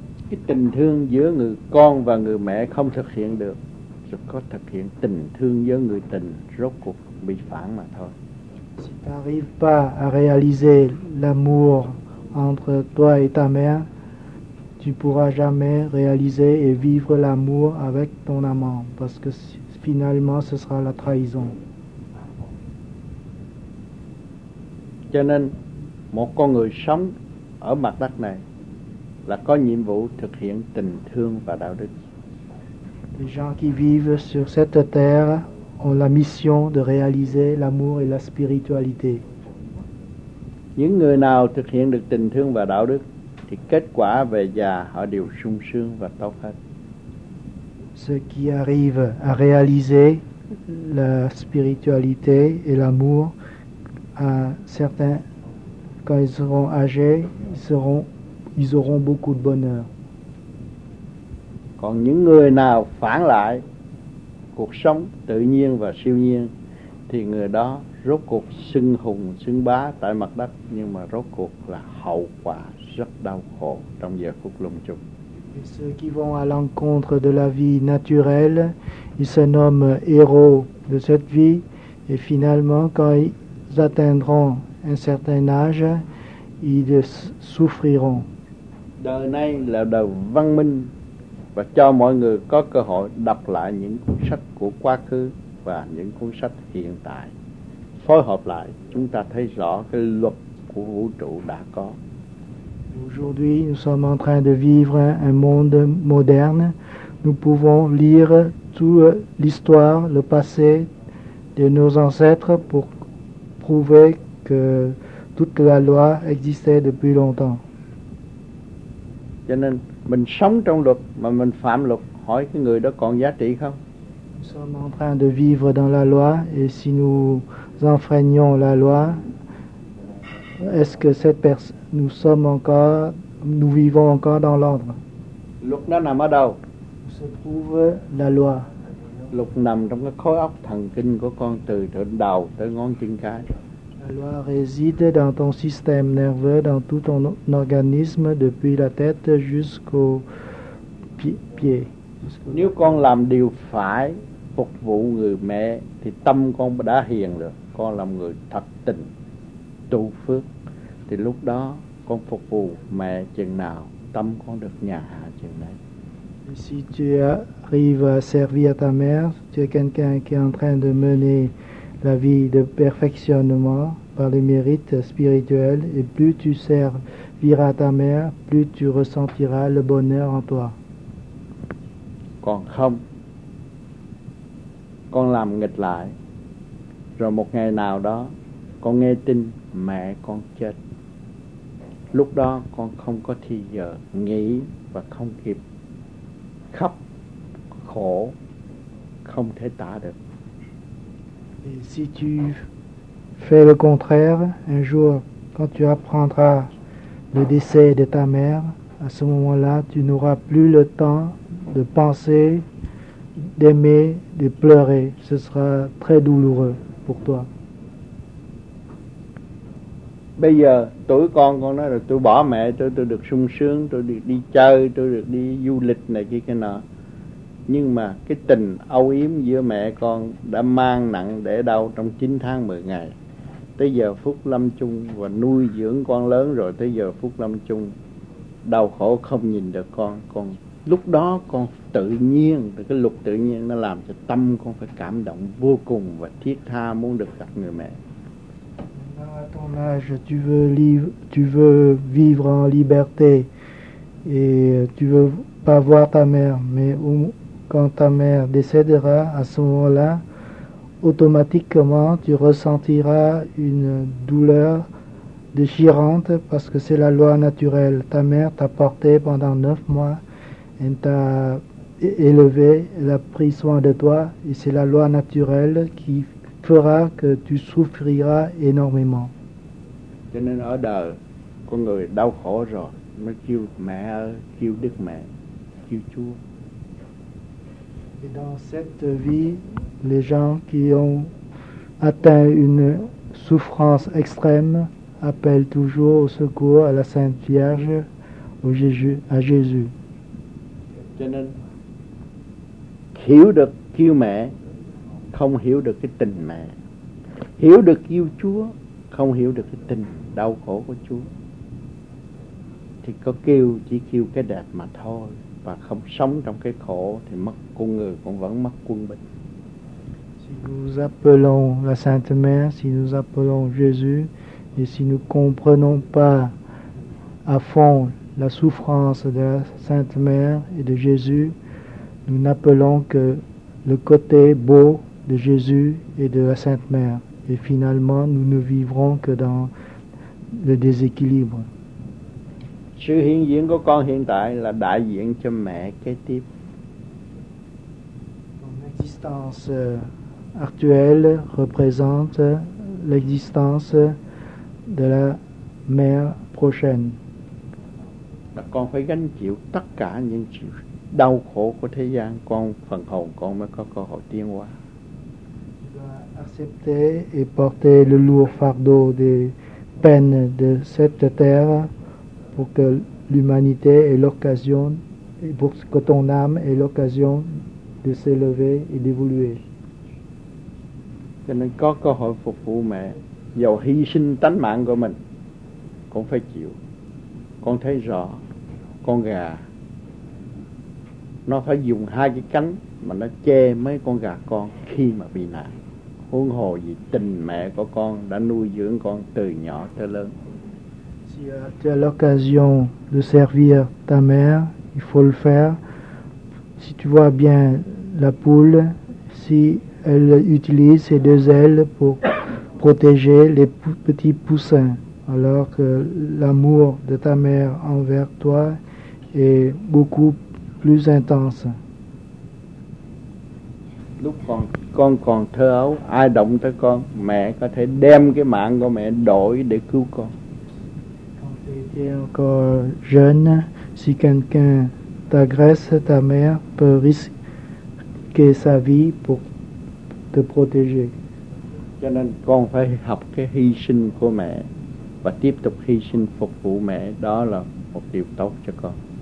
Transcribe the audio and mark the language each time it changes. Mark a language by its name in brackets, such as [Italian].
[Vietnamese] Cái tình thương giữa người con và người mẹ không thực hiện được, rồi có thực hiện tình thương giữa người tình rốt cuộc bị phản mà thôi. [French] Si tu n'arrives pas à réaliser l'amour entre toi et ta mère, tu pourras jamais réaliser et vivre l'amour avec ton amant, parce que finalement ce sera la trahison. [Vietnamese] Cho nên một con người sống ở mặt đất này là có nhiệm vụ thực hiện tình thương và đạo đức. [French] Les gens qui vivent sur cette terre ont la mission de réaliser l'amour et la spiritualité. [Vietnamese] Những người nào thực hiện được tình thương và đạo đức thì kết quả về già họ đều sung sướng và tốt hết. [French] Ceux qui arrivent à réaliser la spiritualité et l'amour à certains quand ils seront âgés, ils auront beaucoup de bonheur. [Vietnamese] Còn những người nào phản lại cuộc sống tự nhiên và siêu nhiên thì người đó rốt cuộc xưng hùng xưng bá tại mặt đất, nhưng mà rốt cuộc là hậu quả rất đau khổ trong giờ phút lâm chung. [French] Et ceux qui vont à l'encontre de la vie naturelle, ils se nomment héros de cette vie, et finalement quand ils atteindront un certain âge, ils souffriront. [Vietnamese] Đời này là đời văn minh và cho mọi người có cơ hội đọc lại những cuốn sách của quá khứ và những cuốn sách hiện tại. Phối hợp lại, chúng ta thấy rõ cái luật của vũ trụ đã có. [French] Aujourd'hui, nous sommes en train de vivre un monde moderne. Nous pouvons lire toute l'histoire, le passé de nos ancêtres pour prouver que toute la loi existait depuis longtemps. [Vietnamese] Cho nên mình sống trong luật mà mình phạm luật, hỏi cái người đó còn giá trị không? [French] Nous sommes en train de vivre dans la loi et si nous enfreignons la loi, est-ce que cette personne, nous sommes encore, nous vivons encore dans l'ordre? [Vietnamese] Luật nó nằm ở đâu? [French] Où se trouve la loi? [Vietnamese] Luật nằm trong cái khối óc thần kinh của con từ đỉnh đầu tới ngón chân cái. [French] La loi réside dans ton système nerveux, dans tout ton organisme, depuis la tête jusqu'aux pieds. [Vietnamese] Nếu con làm điều phải, phục vụ người mẹ, thì tâm con đã hiền rồi. Con làm người thật tình, tu phước, thì lúc đó con phục vụ mẹ chừng nào, tâm con được nhà hạ chừng đấy. [French] Si tu arrives à servir ta mère, tu es quelqu'un qui est en train de mener la vie de perfectionnement par les mérites spirituels, et plus tu serviras ta mère, plus tu ressentiras le bonheur en toi. [Vietnamese] Còn không, con làm nghịch lại, rồi một ngày nào đó con nghe tin mẹ con chết, lúc đó con không có thì giờ nghỉ và không kịp khóc khổ không thể tả được. [French] Et si tu fais le contraire, un jour, quand tu apprendras le décès de ta mère, à ce moment-là, tu n'auras plus le temps de penser, d'aimer, de pleurer. Ce sera très douloureux pour toi. [Vietnamese] Bây giờ, tuổi con nói là tôi bỏ mẹ, tôi được sung sướng, tôi được đi chơi, tôi được đi du lịch này kia kia nọ. Nhưng mà cái tình âu yếm giữa mẹ con đã mang nặng để đau trong 9 tháng 10 ngày. Tới giờ phút lâm chung và nuôi dưỡng con lớn rồi, tới giờ phút lâm chung đau khổ không nhìn được con. Lúc đó con tự nhiên, cái luật tự nhiên nó làm cho tâm con phải cảm động vô cùng và thiết tha muốn được gặp người mẹ. [French] À ton âge, tu veux vivre en liberté et tu veux pas voir ta mère, mais au quand ta mère décédera, à ce moment-là, automatiquement, tu ressentiras une douleur déchirante parce que c'est la loi naturelle. Ta mère t'a porté pendant 9 mois, elle t'a élevé, elle a pris soin de toi, et c'est la loi naturelle qui fera que tu souffriras énormément. [Vietnamese] Cho nên ở đời, con người đau khổ rồi, mới kêu mẹ, kêu đức mẹ, kêu Chúa. [French] Et dans cette vie, les gens qui ont atteint une souffrance extrême appellent toujours au secours à la Sainte Vierge, au Jésus, à Jésus. [Vietnamese] Cho nên, hiểu được kêu mẹ, không hiểu được cái tình mẹ. Hiểu được kêu Chúa, không hiểu được cái tình đau khổ của Chúa. Thì có kêu, chỉ kêu cái đẹp mà thôi. Và không sống trong cái khổ thì mất con người cũng vẫn mất quân bình. [French] Si nous appelons la Sainte Mère, si nous appelons Jésus, et si nous comprenons pas à fond la souffrance de la Sainte Mère et de Jésus, nous n'appelons que le côté beau de Jésus et de la Sainte Mère. Et finalement, nous ne vivrons que dans le déséquilibre. [Vietnamese] Sự hiện diện của con hiện tại là đại diện cho mẹ kế tiếp. [French] Mon existence actuelle représente l'existence de la mère prochaine. [Vietnamese] Con phải gánh chịu tất cả những đau khổ của thế gian, con phần hồn con mới có cơ hội tiến hóa. [French] Accepter et porter le lourd fardeau des peines de cette terre pour que l'humanité ait l'occasion, pour que ton âme ait l'occasion de s'élever et d'évoluer. [Vietnamese] Cho nên có cơ hội phục vụ mẹ, dầu hy sinh tánh mạng của mình, cũng phải chịu. Con thấy rõ, con gà, nó phải dùng hai cái cánh mà nó che mấy con gà con khi mà bị nạn. Huống hồ vì tình mẹ của con đã nuôi dưỡng con từ nhỏ tới lớn. [French] Si tu as l'occasion de servir ta mère, il faut le faire. Si tu vois bien la poule, si elle utilise ses deux ailes pour protéger les petits poussins, alors que l'amour de ta mère envers toi est beaucoup plus intense. [Vietnamese] Lúc con còn thơ ấu, ai động tới con, mẹ có thể đem cái mạng của mẹ đổi để cứu con. [French] Encore jeune, si quelqu'un t'agresse, ta mère peut risquer sa vie pour te protéger. [Vietnamese] Cho nên con phải học cái hy sinh của mẹ và tiếp tục hy sinh phục vụ mẹ, đó là một điều tốt cho con.